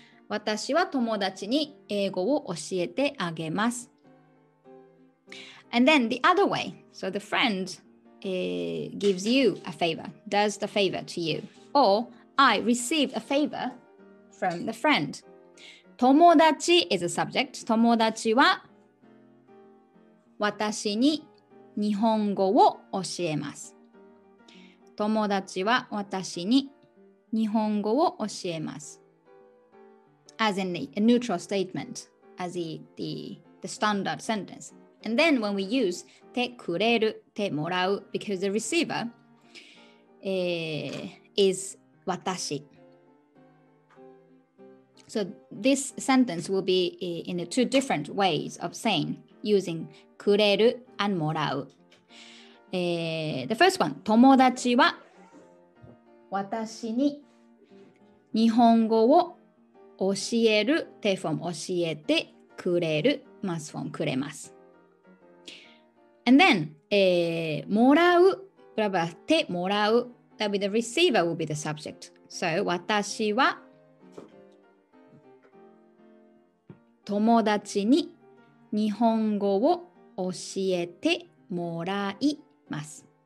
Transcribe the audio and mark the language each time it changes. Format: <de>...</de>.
<ja>私は友達に英語を教えてあげます。</ja> <en>And then the other way, so the friendgives you a favor, does the favor to you. Or I receive a favor from the friend. 友達 is a subject.</en> <ja>友達は私に日本語を教えます。友達は私に日本語を教えます。</ja> <en>As in a neutral statement, as the standard sentence. And then when we use teKURERU, teMORAU, because the receiver is 私. So this sentence will be in the two different ways of saying, using くれる and もらう. The first one,</en> <ja>友達は私に日本語を教える te form 教えてくれる mas form くれます。</ja> <en>And then, もらう, blah, blah, てもらう, that'll be the receiver will be the subject.</en> <ja>So, 私は友達に日本語を教えてもらいます。</ja>